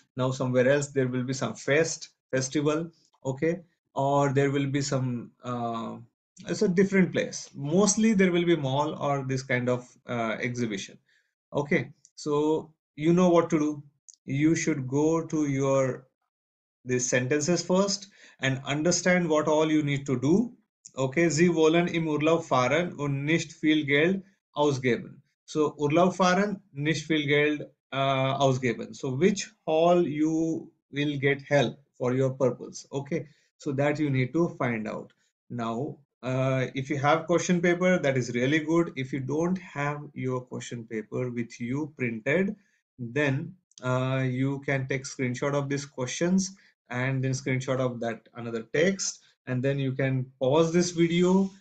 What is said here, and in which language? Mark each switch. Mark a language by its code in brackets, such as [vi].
[en] Now somewhere else there will be some festival. Okay, or there will be some it's a different place. Mostly there will be mall or this kind of exhibition. Okay, so you know what to do. You should go to your the sentences first and understand what all you need to do. [de] Okay, Sie wollen im Urlaub fahren und nicht viel Geld ausgeben. So Urlaub fahren, nicht viel Geld ausgeben. [en] So which hall you will get help for your purpose? Okay, so that you need to find out. Now, if you have question paper, that is really good. If you don't have your question paper with you printed, then you can take screenshot of these questions and then screenshot of that another text, and then you can pause this video.